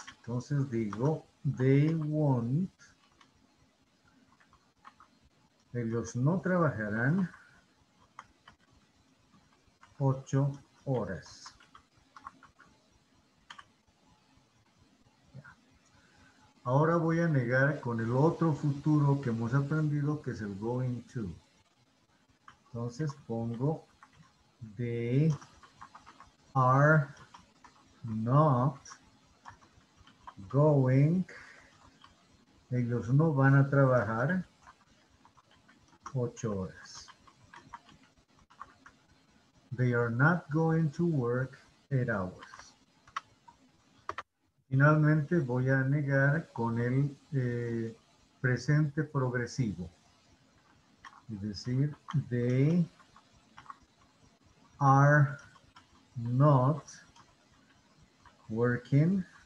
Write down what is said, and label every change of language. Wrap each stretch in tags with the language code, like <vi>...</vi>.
<es>Entonces digo,</es> <en>they won't.</en> <es>Ellos no trabajarán 8 horas. Ahora voy a negar con el otro futuro que hemos aprendido, que es el going to. Entonces pongo,</es> <en>they are not going,</en> <es>ellos no van a trabajar 8 horas.</es> <en>They are not going to work 8 hours.</en> <es>Finalmente voy a negar con el presente progresivo. Es decir,</es> <en>they are not working.</en>